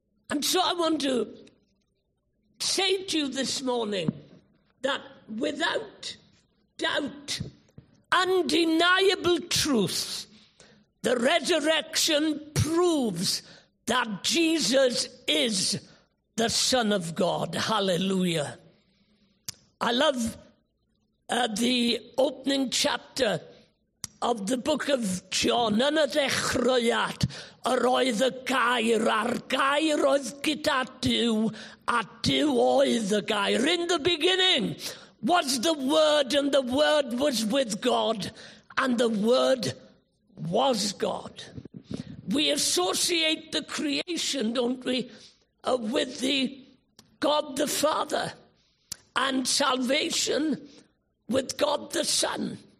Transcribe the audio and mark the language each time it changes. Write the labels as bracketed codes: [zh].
[en] And so I want to say to you this morning that without doubt, undeniable truth, the resurrection proves that Jesus is the Son of God. Hallelujah. I love the opening chapter of the book of John. [cy] "Yn y dechreuad, yr oedd y gair, a'r gair oedd gyda Duw, a Duw oedd y gair." [en] In the beginning was the Word, and the Word was with God, and the Word was God. We associate the creation, don't we, with the God the Father, and salvation with God the Son.